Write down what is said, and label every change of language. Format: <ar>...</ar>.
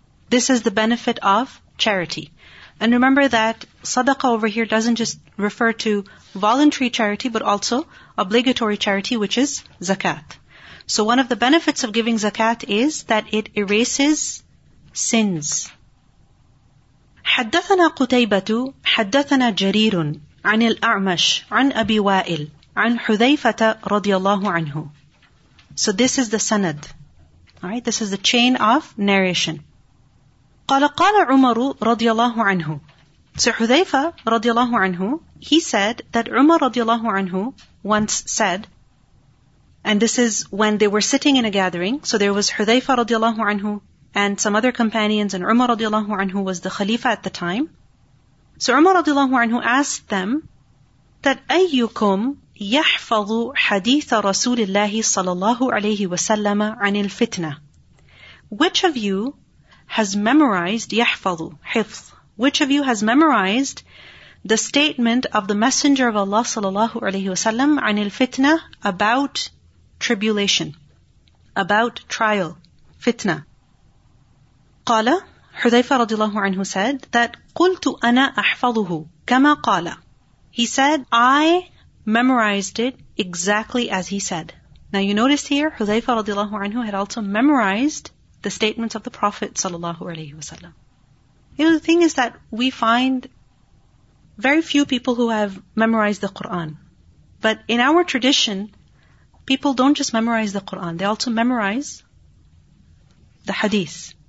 <en>This is the benefit of charity. And remember that sadaqah over here doesn't just refer to voluntary charity, but also obligatory charity, which is zakat. So one of the benefits of giving zakat is that it erases sins.</en> <ar>حدثنا قتيبة حدثنا جرير عن الأعمش عن أبي وائل عن حذيفة رضي الله عنه.</ar> <en>So this is the sanad. Alright, this is the chain of narration. قال عمر رضي الله عنه. So حذيفة رضي الله عنه, he said that عمر رضي الله عنه once said, and this is when they were sitting in a gathering, so there was حذيفة رضي الله عنه and some other companions, and عمر رضي الله عنه was the Khalifa at the time.</en> <ar>So عمر رضي الله عنه asked them that أيكم يحفظ حديث رسول الله صلى الله عليه وسلم عن الفتنة.</ar> <en>Which of you has memorized يحفظ, حفظ, which of you has memorized the statement of the Messenger of Allah sallallahu alayhi wasallam عن الفتنة, about tribulation, about trial, fitna.</en> <ar>قال حذيفة رضي الله عنه said that قلت أنا أحفظه كما قال.</ar> <en>He said, I memorized it exactly as he said. Now you notice here, حذيفة رضي الله عنه had also memorized the statements of the Prophet sallallahu alayhi wasallam. You know, the thing is that we find very few people who have memorized the Qur'an. But in our tradition, people don't just memorize the Qur'an, they also memorize the hadith.</en>